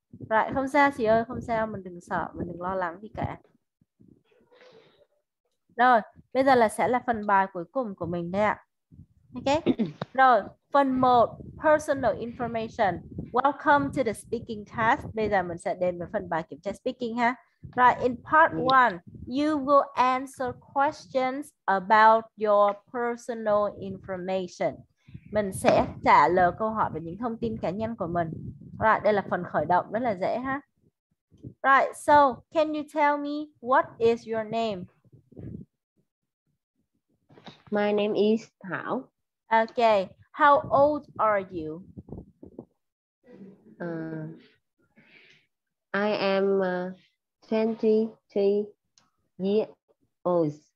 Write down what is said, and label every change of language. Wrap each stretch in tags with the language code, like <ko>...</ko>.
<vi>Rồi, không sao chị ơi, không sao, mình đừng sợ, mình đừng lo lắng gì cả. Rồi, bây giờ là sẽ là phần bài cuối cùng của mình đây ạ. Ok, rồi, phần 1, Personal Information.</vi> <en>Welcome to the speaking test.</en> <vi>Bây giờ mình sẽ đến với phần bài kiểm tra speaking ha.</vi> <en>Right, in part 1, you will answer questions about your personal information.</en> <vi>Mình sẽ trả lời câu hỏi về những thông tin cá nhân của mình. Right, đây là phần khởi động rất là dễ ha.</vi> <en>Right, so can you tell me what is your My name is Thảo. name? Okay, how old are you? I am 23 years old.</en>